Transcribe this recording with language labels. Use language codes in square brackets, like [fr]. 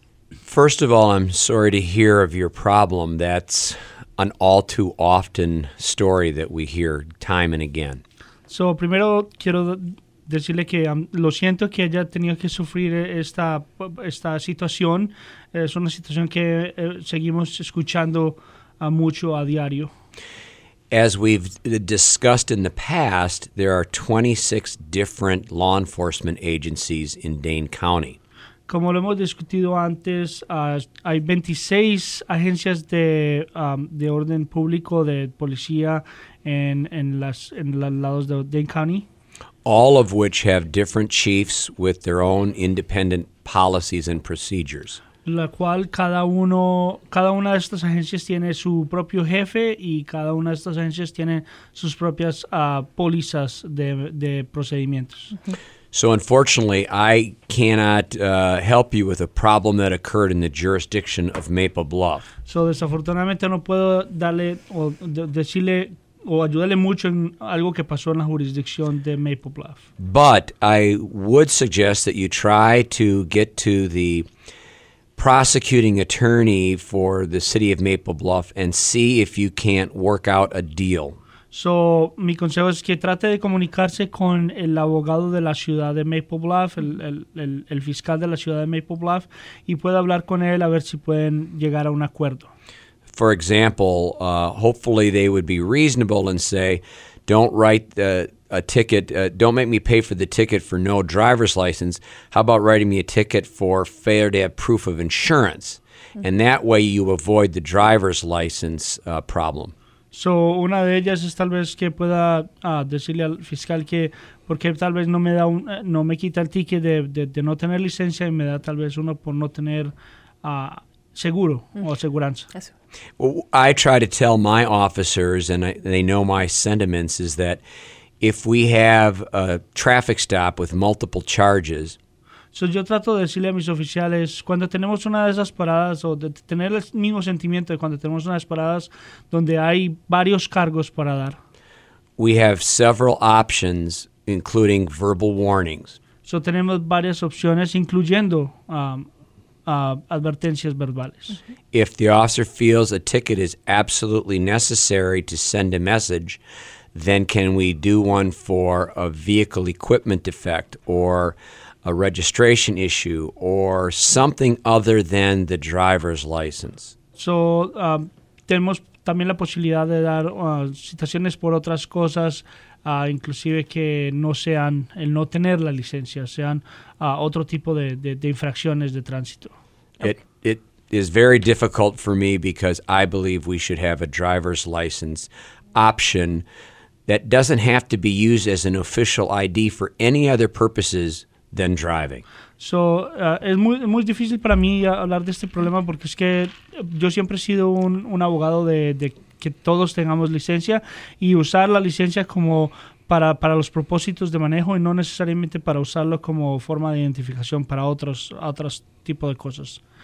[en] First of all, I'm sorry to hear of your problem. That's an all too often story that we hear time and again. [es] So, primero quiero decirle que lo siento que haya tenido que sufrir esta situación. Es una situación que seguimos escuchando mucho a diario. [en] As we've discussed in the past, there are 26 different law enforcement agencies in Dane County. [es] Como lo hemos discutido antes, hay 26 agencias de orden público de policía en los lados de Dane County. [en] All of which have different chiefs with their own independent policies and procedures. [es] La cual cada una de estas agencias tiene su propio jefe y cada una de estas agencias tiene sus propias pólizas de procedimientos. [en] So unfortunately, I cannot help you with a problem that occurred in the jurisdiction of Maple Bluff. [es] So desafortunadamente no puedo darle o decirle o ayudarle mucho en algo que pasó en la jurisdicción de Maple Bluff. [en] But I would suggest that you try to get to the prosecuting attorney for the city of Maple Bluff and see if you can't work out a deal. [es] So, mi consejo es que trate de comunicarse con el abogado de la ciudad de Maple Bluff, el fiscal de la ciudad de Maple Bluff, y pueda hablar con él a ver si pueden llegar a un acuerdo. [en] For example, hopefully they would be reasonable and say, don't write a ticket, don't make me pay for the ticket for no driver's license. How about writing me a ticket for failure to have proof of insurance? Mm-hmm. And that way you avoid the driver's license problem. [es] So una de ellas es tal vez que pueda decirle al fiscal que porque tal vez no me da un, no me quita el ticket de no tener licencia y me da tal vez uno por no tener seguro o aseguranza. [en] Well, I try to tell my officers, and they know my sentiments, is that if we have a traffic stop with multiple charges. [es] So yo trato de decirle a mis oficiales, cuando tenemos una de esas paradas, o de tener el mismo sentimiento de cuando tenemos una de esas paradas donde hay varios cargos para dar. [en] We have several options, including verbal warnings. [es] So tenemos varias opciones, incluyendo advertencias verbales. [en] If the officer feels a ticket is absolutely necessary to send a message, then can we do one for a vehicle equipment defect or a registration issue or something other than the driver's license? [es] So, tenemos también la posibilidad de dar citaciones por otras cosas, inclusive que no sean el no tener la licencia, sean otro tipo de infracciones de tránsito. [en] It is very difficult for me because I believe we should have a driver's license option that doesn't have to be used as an official ID for any other purposes than driving. [es] So, es muy difícil para mí hablar de este problema porque es que yo siempre he sido un abogado de que todos tengamos licencia y usar la licencia como para los propósitos de manejo y no necesariamente para usarlo como forma de identificación para otros tipo de cosas.